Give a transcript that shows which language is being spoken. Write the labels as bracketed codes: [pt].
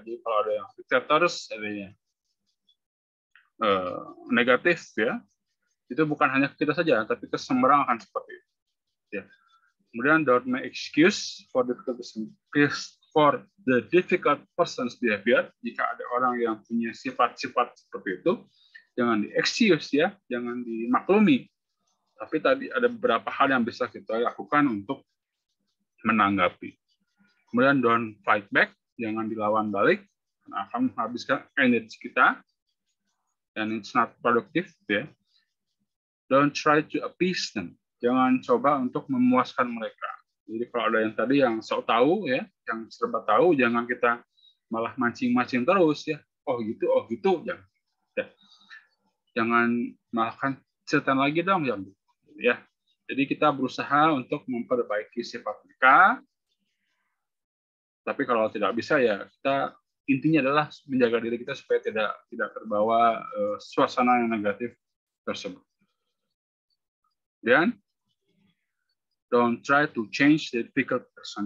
[id] Jadi kalau ada yang dictators, adanya negatif, ya, itu bukan hanya ke kita saja, tapi ke semua akan seperti itu. Ya. [en] Kemudian don't make excuse for the difficult person's behavior. [id] Jika ada orang yang punya sifat-sifat seperti itu, jangan di excuse, ya, jangan dimaklumi. Tapi tadi ada beberapa hal yang bisa kita lakukan untuk menanggapi. Kemudian [en] don't fight back, [id] jangan dilawan balik, karena akan menghabiskan energi kita, [en] and it's not productive. [id] Yeah. [en] Don't try to appease them, [id] jangan coba untuk memuaskan mereka. Jadi kalau ada yang tadi yang sok tahu, ya, yang serba tahu, jangan kita malah mancing-mancing terus, ya. Oh gitu, jangan. Yeah. Jangan malah kan cerita lagi dong, ya. Yeah. Jadi kita berusaha untuk memperbaiki sifat mereka. Tapi kalau tidak bisa, ya, kita intinya adalah menjaga diri kita supaya tidak terbawa suasana yang negatif tersebut. [en] Dan don't try to change the difficult person.